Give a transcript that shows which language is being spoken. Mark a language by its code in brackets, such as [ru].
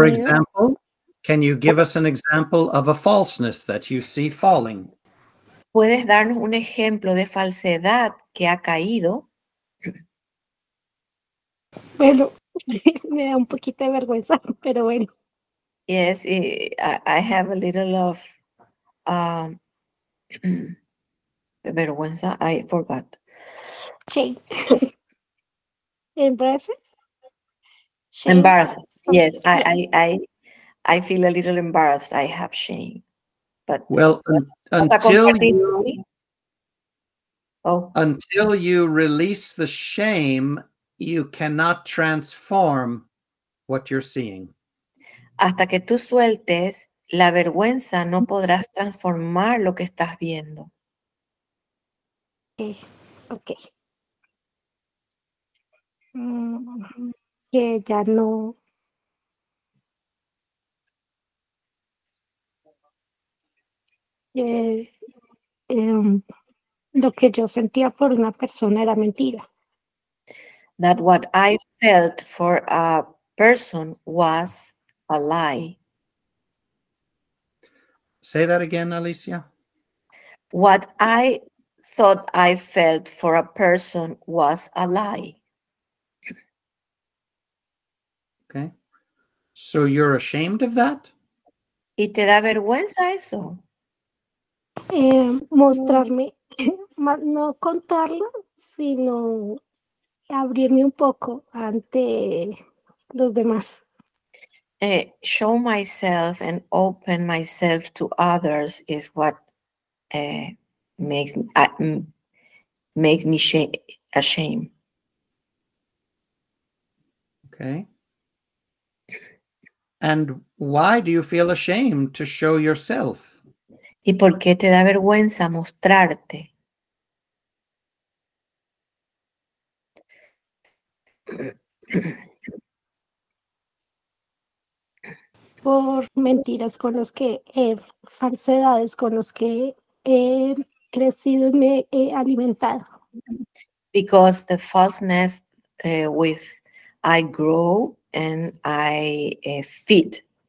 [en] For example, can you give us an example of a falseness that you see falling? [es] ¿Puedes darnos un ejemplo de falsedad que ha caído? Bueno, me da un poquito de vergüenza, pero bueno. [en] Yes, I have a little of vergüenza, I forgot. Shame. Embarrassing? Shame. Embarrassing, yes. I feel a little embarrassed. I have shame. But well, until you release the shame, you cannot transform what you're seeing. [es] Hasta que tú sueltes la vergüenza, no podrás transformar lo que estás viendo. [en] Okay. [es] Que ya no. Lo que yo sentía por una persona era mentira. [en] That what I felt for a person was a lie. Say that again, Alicia. What I thought I felt for a person was a lie. Okay. So you're ashamed of that? [es] ¿Y te da vergüenza eso? Mostrarme, no contarlo, sino abrirme un poco ante los demás. [en] Show myself and open myself to others is what makes me ashamed. Okay. And why do you feel ashamed to show yourself? [es] ¿Y por qué te da vergüenza mostrarte? Por mentiras con las que, falsedades con las que he crecido y me he alimentado. [en] Because the falseness with I grow and I feed.